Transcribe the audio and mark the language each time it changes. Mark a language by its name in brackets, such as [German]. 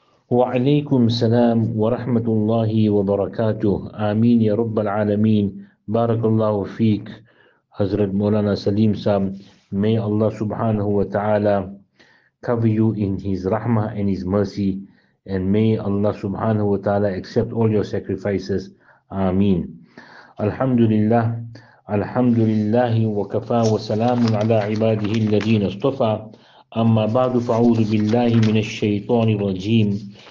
[Arabic] وعليكم السلام ورحمة الله وبركاته. آمين يا رب العالمين. بارك الله فيك حضرت مولانا سليم صاحب. [English] May Allah سبحانه وتعالى cover you in his rahmah and his mercy, and may Allah سبحانه وتعالى accept all your sacrifices. [Arabic] آمين. الحمد لله الحمد لله وكفى وسلام على عباده الذين اصطفى. أما بعد فأعوذ بالله من الشيطان الرجيم.